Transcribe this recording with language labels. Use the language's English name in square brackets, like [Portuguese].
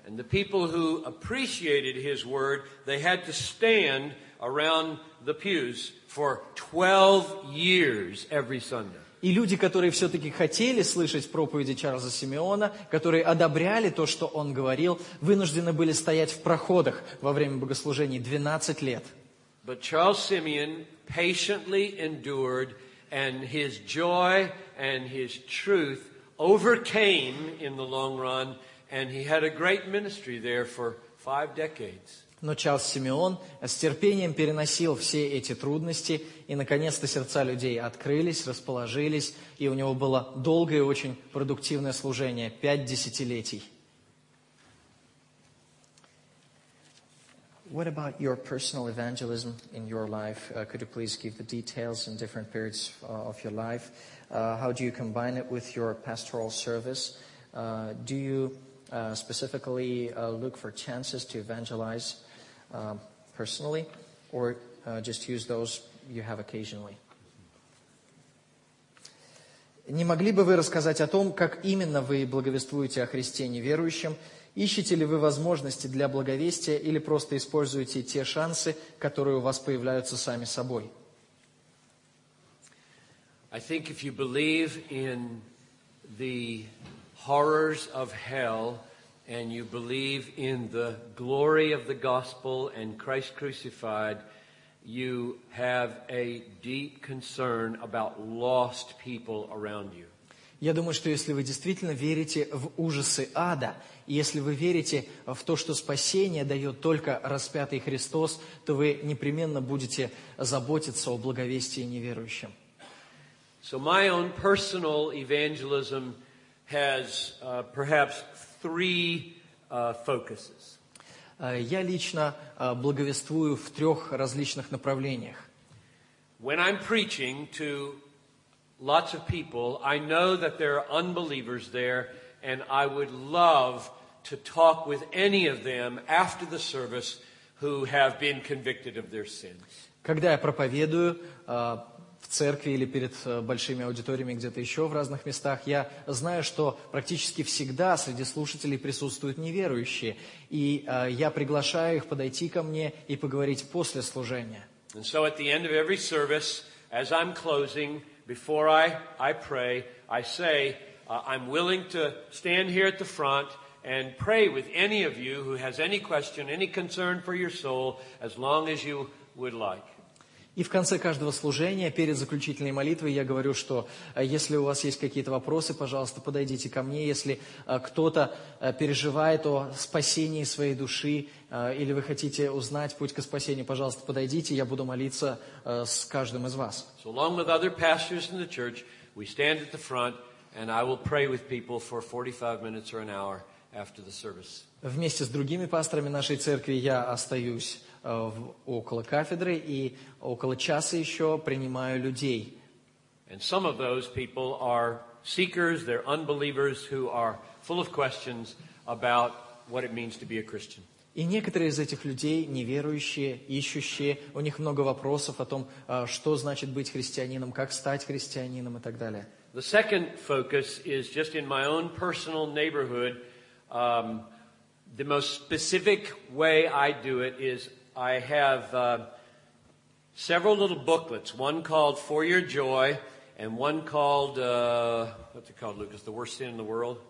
[Russian] И те, кто оценивал его слово, должны были стоять вокруг пьюз 12 лет каждый субботу. И люди, которые все-таки хотели слышать проповеди Чарльза Симеона, которые одобряли то, что он говорил, вынуждены были стоять в проходах во время богослужений 12 лет. [English] But Charles Simeon patiently endured, and his joy and his truth overcame in the long run, and he had a great ministry there for 5 decades. [Russian] Но Чарльз Симеон с терпением переносил все эти трудности, и, наконец-то, сердца людей открылись, расположились, и у него было долгое и очень продуктивное служение, 5 десятилетий. [English] What about your personal evangelism in your life? Could you please give the details in different periods of your life? How do you combine it with your pastoral service? Do you specifically look for chances to evangelize personally, or just use those you have occasionally. [Russian] Не могли бы вы рассказать о том, как именно вы благовествуете о Христе неверующим? Ищете ли вы возможности для благовестия или просто используете те шансы, которые у вас появляются сами собой? [English] I think if you believe in the horrors of hell, and you believe in the glory of the gospel and Christ crucified, you have a deep concern about lost people around you. [Russian] Я думаю, что если вы действительно верите в ужасы ада, если вы верите в то, что спасение дает только распятый Христос, то вы непременно будете заботиться о благовестии неверующим. [English] So my own personal evangelism has perhaps 3 focuses. [Russian] Я лично благовествую в 3 различных направлениях. [English] When I'm preaching to lots of people, I know that there are unbelievers there, and I would love to talk with any of them after the service who have been convicted of their sins. [Russian] Когда я проповедую в церкви или перед большими аудиториями где-то еще в разных местах, я знаю, что практически всегда среди слушателей присутствуют неверующие. И я приглашаю их подойти ко мне и поговорить после служения. [English] And so at the end of every service, as I'm closing, before I pray, I say, I'm willing to stand here at the front and pray with any of you who has any question, any concern for your soul, as long as you would like. [Russian] И в конце каждого служения, перед заключительной молитвой, я говорю, что если у вас есть какие-то вопросы, пожалуйста, подойдите ко мне. Если кто-то переживает о спасении своей души, или вы хотите узнать путь к спасению, пожалуйста, подойдите, я буду молиться с каждым из вас. [English] So along with other pastors in the church, we stand at the front, and I will pray with people for 45 minutes or an hour after the service. [Russian] Вместе с другими пасторами нашей церкви я остаюсь около кафедры и около часа еще принимаю людей. [English] And some of those people are seekers, they're unbelievers who are full of questions about what it means to be a Christian. [Russian] И некоторые из этих людей неверующие, ищущие, у них много вопросов о том, что значит быть христианином, как стать христианином и так далее. [English] The second focus is just in my own personal neighborhood. The most specific way I do it is I have several little booklets, one called For Your Joy and one called, what's it called, Lucas? The Worst Sin in the World?